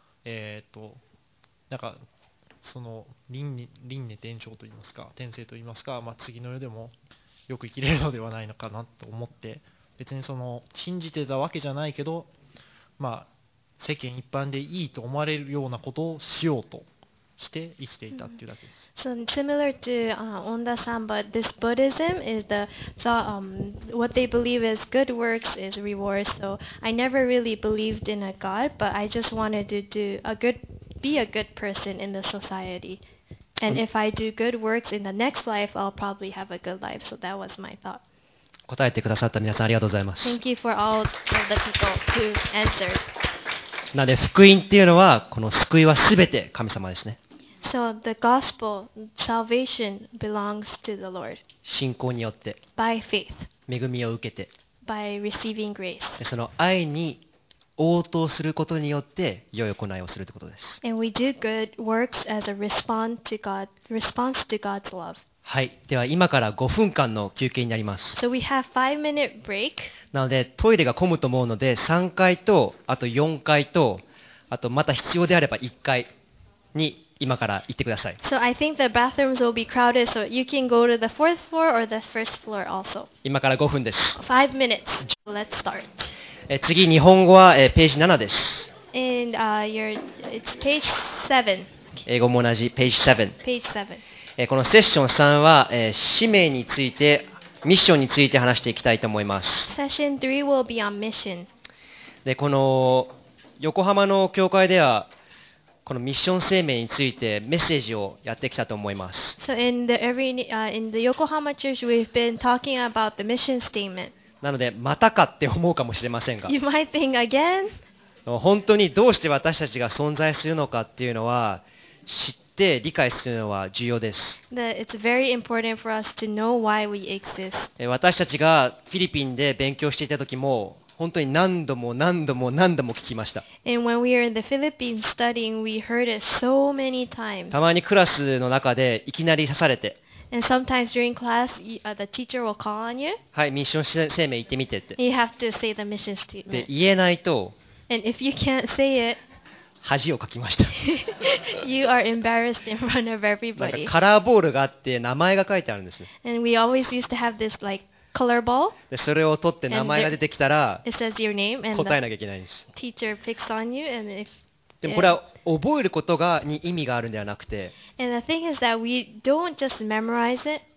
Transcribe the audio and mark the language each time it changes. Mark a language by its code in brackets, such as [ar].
[ja] なんかその輪廻転生といいますか、転生といいますか、まあ、次の世でもよく生きれるのではないのかなと思って、別にその信じてたわけじゃないけど、まあ、世間一般でいいと思われるようなことをしようとして生きていたっていうだけです。 [en] So similar to Onda-san, but this Buddhism is the what they believe is good works is reward. So I never really believed in a god, but I just wanted to do a good, be a good person in the society. And if I do good works in the next life, I'll probably have a good life. So that was my thought. [ja] 答えてくださった皆さん、ありがとうございます。 [en] Thank you for all of the people who answered. [ja] なので福音っていうのは、この救いはすべて神様ですね。 [en] So the gospel, salvation belongs to the Lord. [ja] 信仰によって。 [en] By faith. [ja] 恵みを受けて。 [en] By receiving grace. [ja] その愛に応答することによって良い行いをするということです。 [en] And we do good works as a response to God's love. [ja] はい、では今から5分間の休憩になります。 [en] So we have 5-minute break. [ja] なのでトイレが混むと思うので、3回とあと4回とあとまた必要であれば1回に今から行ってください。 [en] So I think the bathrooms will be crowded, so you can go to the fourth floor or the first floor also. [ja] 今から5分です。 [en] 5 minutes, so let's start. [ja] 次、日本語は、ページ7です。 [en] And it's page 7. [ja] 英語も同じ、ページ7。 [en] Page 7. [ja] このセッション3は、使命について、ミッションについて話していきたいと思います。 [en] セッション3 will be on mission. [ja] でこの横浜の教会ではこのミッション声明についてメッセージをやってきたと思います。 [en] So in the Yokohama church we've been talking about the mission statement. [ja] なのでまたかって思うかもしれませんが、 [en] You might think again. [ja] 本当にどうして私たちが存在するのかっていうのは知って理解するのは重要です。 [en] It's very important for us to know why we exist. [ja] 私たちがフィリピンで勉強していた時も、本当に何度も何度も何度も聞きました。 [en] And when we were in the Philippines studying, we heard it so many times. [ja] たまにクラスの中でいきなり刺されて。 [en] And sometimes during class, the teacher will call on you. [ja] はい、ミッション声明言ってみてって。 [en] You have to say the mission statement. [ja] で、言えないと。 [en] And if you can't say it, [ja] 恥をかきました。 [en] You are embarrassed in front of everybody. [ja] カラーボールがあって名前が書いてあるんです。 [en] And we always used to have this like color ball. [ja] でそれを取って名前が出てきたら、 [en] it says your name and [ja] 答えなきゃいけないんです。 [en] Teacher picks on you and if [ja] でもこれは覚えることがに意味があるんではなくて、 [en] and the thing is that we don't just memorize it.